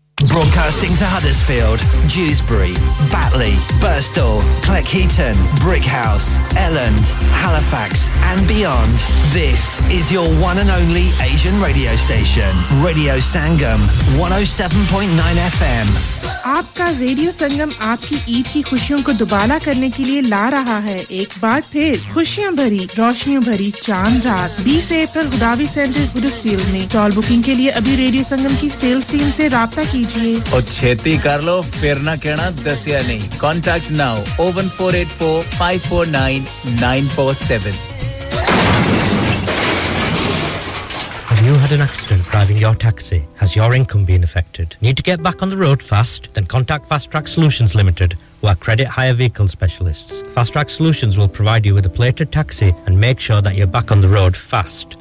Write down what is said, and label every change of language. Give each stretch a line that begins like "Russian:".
English: Broadcasting to Huddersfield, Dewsbury, Batley, Birstall, Cleckheaton, Brickhouse, Elland, Halifax and beyond. This is your one and only Asian radio station. Radio Sangam, 107.9 FM.
Hindi: आपका radio संगम आपकी ईद की खुशियों को दुबाला करने के लिए ला रहा है एक बार फिर खुशियां भरी रोशनियों भरी चांद रात 20 अप्रैल गुदावी सेंटर हुडर्सफील्ड में कॉल बुकिंग के लिए अभी रेडियो संगम की सेल्स टीम से राबता कीजिए
Punjabi: और छेती कर लो फिर ना कहना दसिया नहीं
English: contact now
Punjabi: 01484549947
English: Have you had an accident driving your taxi? Has your income been affected? Need to get back on the road fast? Then contact Fast Track Solutions Limited, who are credit hire vehicle specialists. Fast Track Solutions will provide you with a plated taxi and make sure that you're back on the road fast.